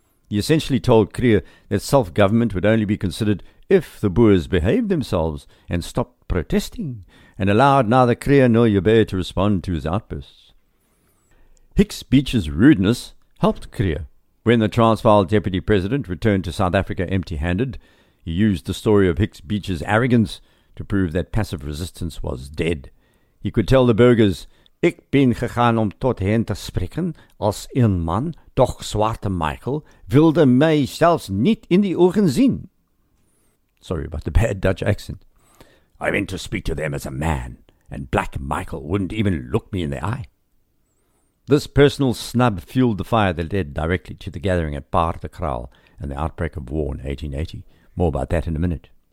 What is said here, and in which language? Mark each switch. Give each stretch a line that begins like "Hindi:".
English: He essentially told Creer that self-government would only be considered if the Boers behaved themselves and stopped protesting, and allowed neither Creer nor Joubert to respond to his outbursts. Hicks Beach's rudeness helped Creer. When the Transvaal Deputy President returned to South Africa empty-handed, he used the story of Hicks Beach's arrogance to prove that passive resistance was dead. He could tell the burghers,
Dutch: ik ben gegaan om tot hen te spreken als een man, doch Zwarte Michael wilde mij zelfs niet in die ogen zien.
English: Sorry about the bad Dutch accent. I meant to speak to them as a man, and Black Michael wouldn't even look me in the eye. This personal snub fueled the fire that led directly to the gathering at Paardekraal and the outbreak of war in 1880. More about that in a minute.